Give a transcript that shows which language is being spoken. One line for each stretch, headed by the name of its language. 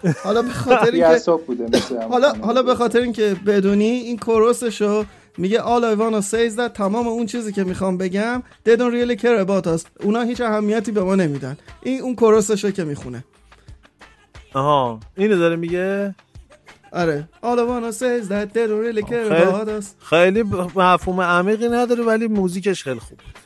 Persian: حالا به خاطر اینکه بوده حالا به خاطر اینکه بدونی این کوروسشو میگه
English: All I wanna say is that
Persian: تمام اون چیزی که میخوام بگم
English: They don't really care about us،
Persian: اونا هیچ اهمیتی به ما نمیدن، این اون کوروسشو که میخونه. آها اینو داره میگه.
English: آره All I wanna say is that they don't really care about us.
Persian: خیلی مفهوم عمیقی نداره ولی موزیکش خیلی خوب.